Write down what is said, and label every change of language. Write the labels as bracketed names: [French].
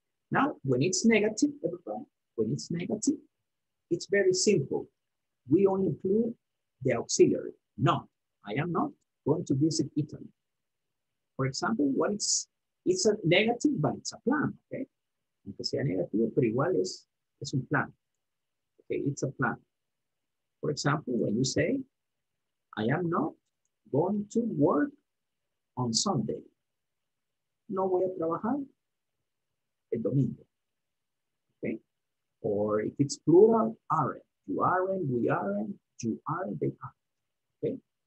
[English] Now, when it's negative, everybody, when it's negative, it's very simple. We only include the auxiliary. No, I am not going to visit Italy. For example, what it's a negative, but it's a plan, okay? [Spanish] Aunque sea negativo, pero igual es un plan. [English] Okay, it's a plan. For example, when you say, I am not going to work on Sunday. [Spanish] No voy a trabajar el domingo, okay? [English] Or if it's plural, aren't. You aren't, we aren't, you aren't, they aren't, okay?